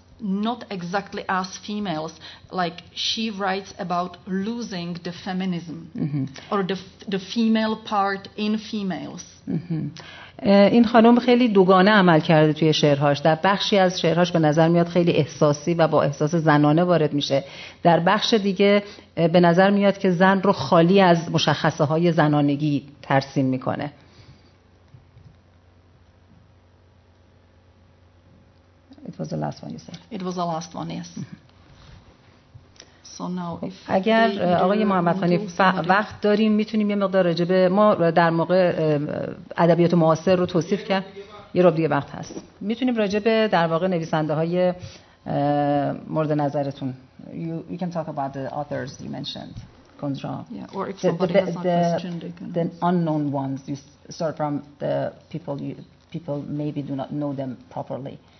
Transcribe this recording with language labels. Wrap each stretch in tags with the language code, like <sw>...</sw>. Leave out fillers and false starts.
<en>not exactly us females, like she writes about losing the feminism mm-hmm. or the female part in females.</en> <fa>این خانم خیلی دوگانه عمل کرده توی شعرهاش. در بخشی از شعرهاش به نظر میاد خیلی احساسی و با احساس زنانه وارد میشه. در بخش دیگه به نظر میاد که زن رو خالی از مشخصه های زنانگی ترسیم میکنه.</fa> <en>It was the last one you said. It was the last one, yes. So now if</en> <fa>اگر آقای محمد خانی وقت داریم میتونیم یه مقدار راجع به ما در موقع ادبیات معاصر رو توصیف کرد. یه رب دیگه وقت هست. میتونیم راجع به در واقع نویسنده های مورد نظرتون.</fa> <en>You can talk about the authors you mentioned. Kondra. Yeah, or if somebody has a question, they can ask. The unknown ones. You start from the people you, people maybe do not know them properly.</en>